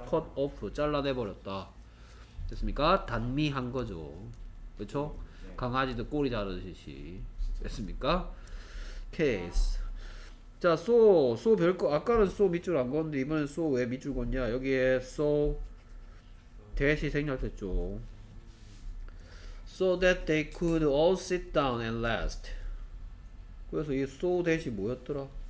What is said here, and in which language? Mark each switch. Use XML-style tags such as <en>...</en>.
<ko>cut off, 잘라내버렸다. 됐습니까? 단미한 거죠. 그렇죠? 네. 강아지도 꼬리 자르듯이. 진짜. 됐습니까? case. 자, so 별거, 아까는 so 밑줄 안 걷는데 이번엔 so 왜 밑줄 걷냐? 여기에 so 대시 생략됐죠.</ko> <en>so that they could all sit down and rest.</en> <ko>그래서 이 so 대시 뭐였더라?</ko>